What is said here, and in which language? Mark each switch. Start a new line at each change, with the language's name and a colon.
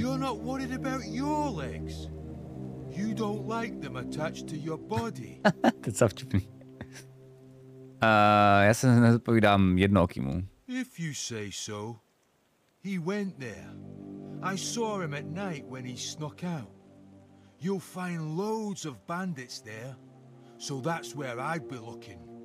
English: You're not worried about your legs. You don't like them attached to your body.
Czech: To je vtipný. Já se nezodpovídám jednookýmu.
English: If you say so. He went there. I saw him at night when he snuck out. You'll find loads of bandits there. So that's where I'd be looking.